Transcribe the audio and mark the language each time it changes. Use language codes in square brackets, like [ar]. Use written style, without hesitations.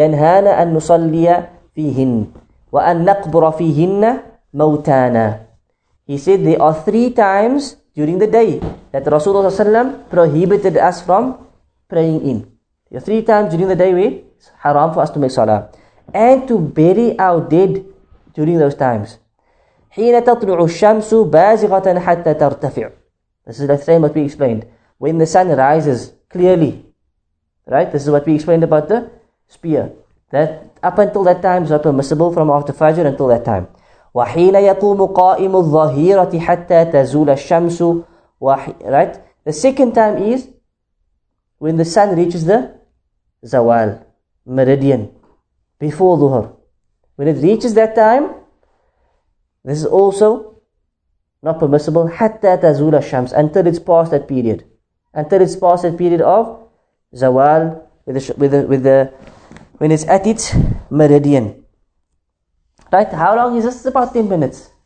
[ar] ينهانا أن نصلي فيهن وأن نقبر فيهن موتانا. [en] He said there are three times during the day that Rasulullah ﷺ prohibited us from praying in. There are three times during the day where it's haram for us to make salah and to bury our dead during those times. [ar] حين تطلع الشمس بازغة حتى ترتفع. [en] This is the same what we explained. When the sun rises clearly. Right? This is what we explained about the spear. That up until that time is not permissible from after Fajr until that time. [ar] وحين يقوم قائم الظهيرة حتى تزول الشمس. [en] Right? The second time is when the sun reaches the زوال. Meridian. Before Dhuhr. When it reaches that time, this is also not permissible. [ar] حَتَّى تَزُولَ الشَّمْسِ [en] until it's past that period. Until it's past that period of زَوَال when it's at its meridian. Right? How long is this? It's about 10 minutes.